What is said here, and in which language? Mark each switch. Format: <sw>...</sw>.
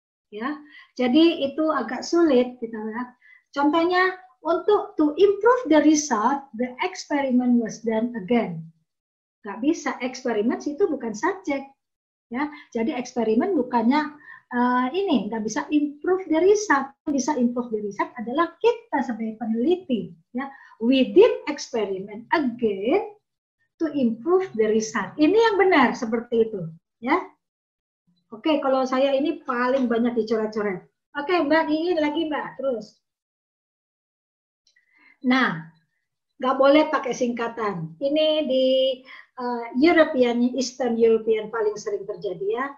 <id>Ya, jadi itu agak sulit kita lihat. Contohnya, untuk</id> <en>to improve the result, the experiment was done again.</en> <id>Gak bisa, experiment itu bukan subject, ya. Jadi eksperimen bukannya ini, gak bisa</id> <en>improve the result.</en> <id>Yang bisa</id> <en>improve the result</en> <id>adalah kita sebagai peneliti, ya.</id> <en>We did experiment again to improve the result.</en> <id>Ini yang benar seperti itu, ya. Oke, kalau saya ini paling banyak dicoret-coret. Oke, Mbak, ini lagi Mbak, terus. Nah, nggak boleh pakai singkatan. Ini di European, Eastern European paling sering terjadi, ya.</id>